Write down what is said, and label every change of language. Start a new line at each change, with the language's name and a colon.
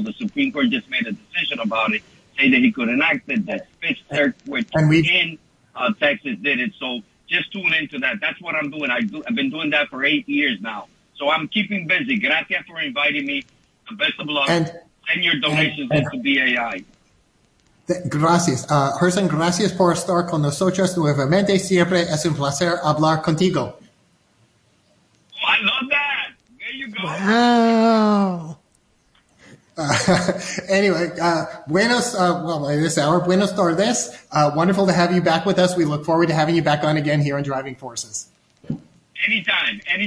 English: The Supreme Court just made a decision about it, saying that he could enact it. That Fifth Circuit in Texas did it. So just tune into that. That's what I'm doing. I've been doing that for 8 years now. So I'm keeping busy. Gracias for inviting me. Best of luck. Send your donations into BAI.
Spanish: Gracias. Herson, gracias por estar con nosotros nuevamente. Siempre es un placer hablar contigo.
English: Oh, I love that. There you go. Wow.
Spanish: Anyway, buenos tardes.
English: Wonderful to have you back with us. We look forward to having you back on again here on Driving Forces. Anytime.